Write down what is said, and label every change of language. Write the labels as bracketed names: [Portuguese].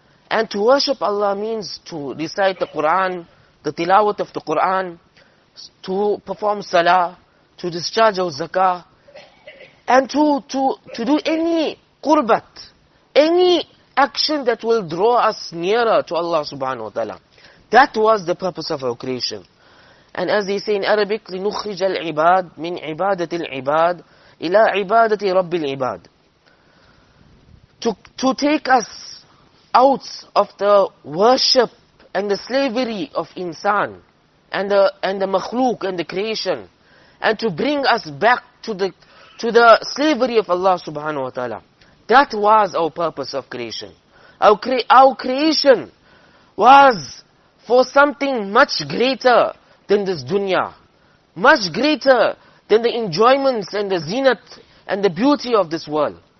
[English] And to worship Allah means to recite the Quran, the tilawat of the Quran, to perform salah, to discharge our zakah, and to do any qurbat, any action that will draw us nearer to Allah subhanahu wa ta'ala. That was the purpose of our creation. And as they say in Arabic, [Arabic] لنخرج العباد من عبادة العباد إلى عبادة رب العباد. [English] To take us out of the worship and the slavery of insan and the makhluk and the creation, and to bring us back to the slavery of Allah subhanahu wa ta'ala. That was our purpose of creation. Our creation was for something much greater than this dunya, much greater than the enjoyments and the zenith and the beauty of this world.